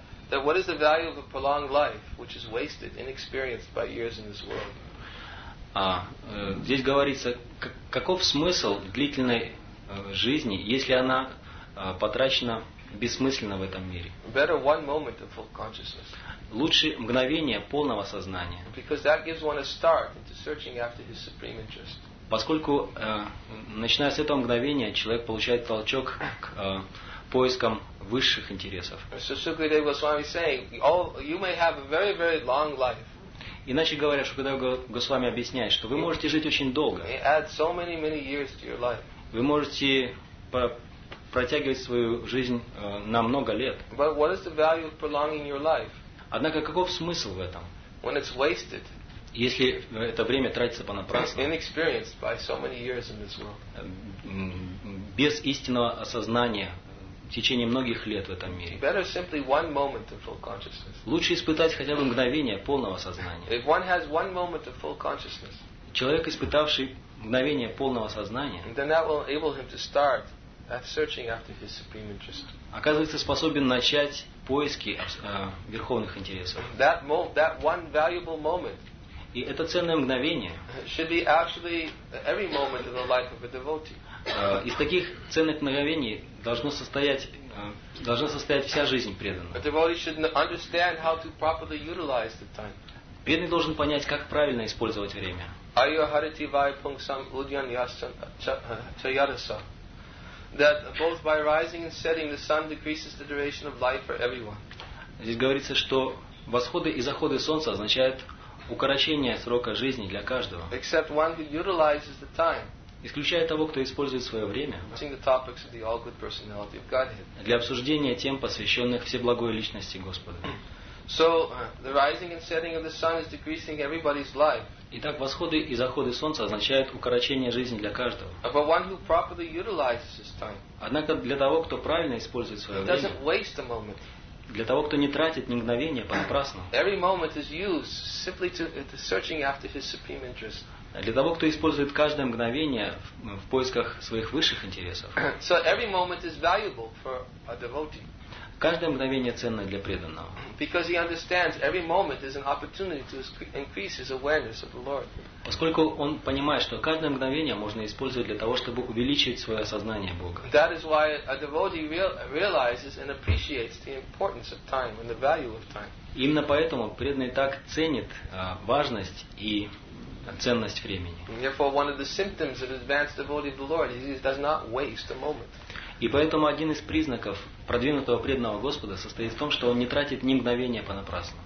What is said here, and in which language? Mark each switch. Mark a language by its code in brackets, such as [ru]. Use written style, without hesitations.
[en] That what is the value of a prolonged life which is wasted, inexperienced by years in this world? [ru] Здесь говорится, каков смысл длительной жизни, если она потрачена бессмысленно в этом мире. [en] Better one moment of full consciousness. [ru] Лучше мгновение полного сознания. [en] Because that gives one a start into searching after his supreme interest. [ru] Поскольку, начиная с этого мгновения, человек получает толчок к поискам высших интересов. [en] So Sukadeva Goswami is saying, you may have a very, very long life. [ru] Иначе говоря, Шукадева Госвами объясняет, что вы можете жить очень долго. [en] So many years to your life. [ru] Вы можете протягивать свою жизнь на много лет. [en] But what is the value of prolonging your life? [ru] Однако, каков смысл в этом? [en] When it's wasted. [ru] Если это время тратится понапрасну. [en] Inexperienced by so many years in this world. [ru] Без истинного осознания в течение многих лет в этом мире. [en] Better simply one moment of full consciousness. [ru] Лучше испытать хотя бы мгновение полного сознания. [en] If one has one moment of full consciousness. [ru] Человек, испытавший мгновение полного сознания. [en] Then that will enable him to start at searching after his supreme interest. [ru] Оказывается, способен начать поиски верховных интересов. [en] That one valuable moment. [ru] И это ценное мгновение. [en] Should be actually every moment in the life of a devotee. [ru] Из таких ценных мгновений должна состоять вся жизнь преданного. [en] A devotee should understand how to properly utilize the time. [ru] Преданный должен понять, как правильно использовать время. [sa] Ayuharati vai pung sam udyan yasam chayadasa. [en] That both by rising and setting the sun decreases the duration of life for everyone. [ru] Здесь говорится, что восходы и заходы солнца означают укорочение срока жизни для каждого. [en] Except one who utilizes the time. [ru] Исключая того, кто использует свое время. [en] Using the topics of the all good personality of Godhead. [ru] Для обсуждения тем, посвященных всеблагой личности Господа. [en] So the rising and setting of the sun is decreasing everybody's life. [ru] Итак, восходы и заходы солнца означают укорочение жизни для каждого. [en] But one who properly utilizes his time. [ru] Однако для того, кто правильно использует свое время. [en] He doesn't waste a moment. [ru] Для того, кто не тратит ни мгновения понапрасну. [en] Every moment is used simply to searching after his supreme interest. [ru] Для того, кто использует каждое мгновение в поисках своих высших интересов. [en] So every moment is valuable for a devotee. [ru] Каждое мгновение ценно для преданного. [en] Because he understands every moment is an opportunity to increase his awareness of the Lord. [ru] Поскольку он понимает, что каждое мгновение можно использовать для того, чтобы увеличить свое осознание Бога. [en] That is why a devotee realizes and appreciates the importance of time and the value of time. [ru] Именно поэтому преданный так ценит важность и ценность времени. [en] Therefore, one of the symptoms of an advanced devotee of the Lord is he does not waste a moment. [ru] И поэтому один из признаков продвинутого преданного Господа состоит в том, что он не тратит ни мгновения понапрасну.